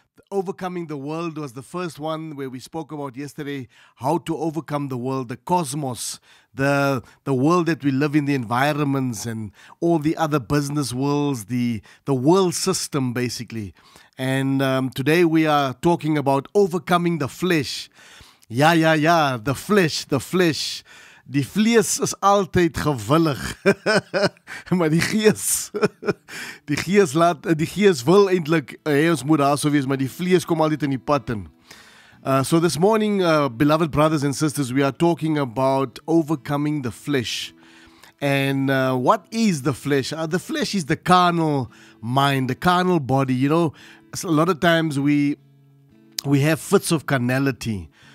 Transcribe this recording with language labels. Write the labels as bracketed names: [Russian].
[English] Overcoming the world was the first one where we spoke about yesterday, how to overcome the world, the cosmos, the world that we live in, the environments and all the other business worlds, the world system basically. And today we are talking about overcoming the flesh. The flesh. [Afrikaans] Die vlees is altyd gewillig, maar die gees wil eintlik hê ons moet daar so wees, maar die vlees kom altyd in die pad in. [English] So this morning, beloved brothers and sisters, we are talking about overcoming the flesh. And what is the flesh? The flesh is the carnal mind, the carnal body. You know, a lot of times we have fits of carnality.